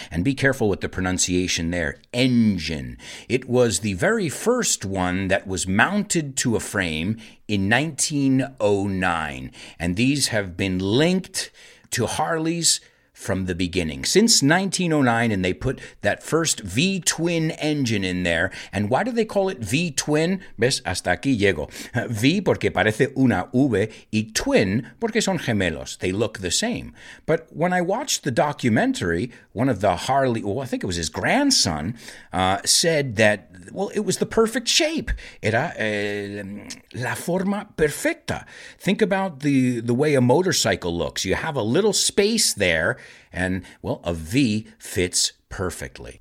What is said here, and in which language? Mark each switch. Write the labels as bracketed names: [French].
[English] And be careful with the pronunciation there, engine. It was the very first one that was mounted to a frame in 1909. And these have been linked to Harleys from the beginning. Since 1909, and they put that first V-twin engine in there. And why do they call it V-twin? [Spanish] ¿Ves? Hasta aquí llego. V porque parece una V, y twin porque son gemelos. [English] They look the same. But when I watched the documentary, one of the Harley, well, I think it was his grandson, said that Well, it was the perfect shape. [Spanish] Era la forma perfecta. [English] Think about the way a motorcycle looks. You have a little space there, and, well, a V fits perfectly.